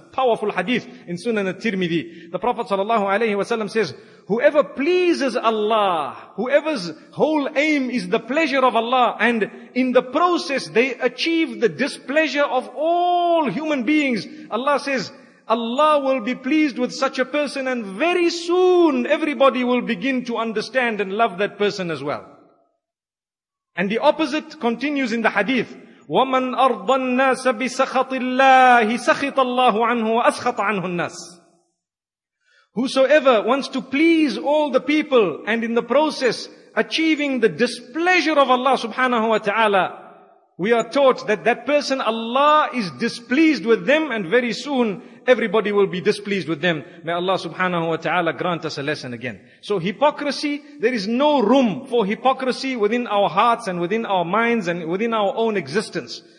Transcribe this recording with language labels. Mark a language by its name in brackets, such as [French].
[English] Powerful hadith in Sunan al-Tirmidhi. The Prophet sallallahu alayhi wa sallam says, whoever pleases Allah, whoever's whole aim is the pleasure of Allah, and in the process they achieve the displeasure of all human beings, Allah says, Allah will be pleased with such a person, and very soon everybody will begin to understand and love that person as well. And the opposite continues in the hadith, [Arabic] وَمَنْ أَرْضَ النَّاسَ بِسَخَطِ اللَّهِ سَخِطَ اللَّهُ عَنْهُ وَأَسْخَطَ عَنْهُ النَّاسِ. [English] Whosoever wants to please all the people, and in the process achieving the displeasure of Allah subhanahu wa ta'ala, we are taught that that person, Allah is displeased with them, and very soon everybody will be displeased with them. May Allah subhanahu wa ta'ala grant us a lesson again. So hypocrisy, there is no room for hypocrisy within our hearts and within our minds and within our own existence.